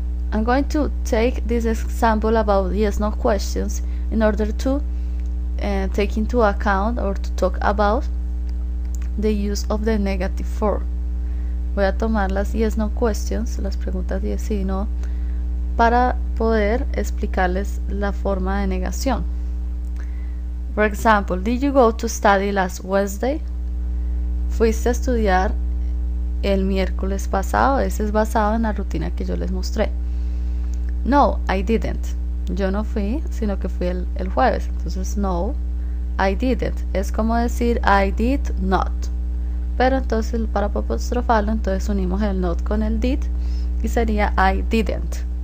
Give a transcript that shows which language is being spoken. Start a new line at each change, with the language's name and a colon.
English: I'm going to take this example about yes no questions in order to take into account or to talk about the use of the negative form.
Spanish: Voy a tomar las yes no questions, las preguntas yes sí y no, para poder explicarles la forma de negación.
English: For example, did you go to study last Wednesday?
Spanish: ¿Fuiste a estudiar el miércoles pasado? Ese es basado en la rutina que yo les mostré.
English: No, I didn't.
Spanish: Yo no fui, sino que fui el jueves. Entonces, no,
English: I didn't.
Spanish: Es como decir
English: I did not.
Spanish: Pero entonces, para apostrofarlo, entonces unimos el not con el did y sería
English: I didn't.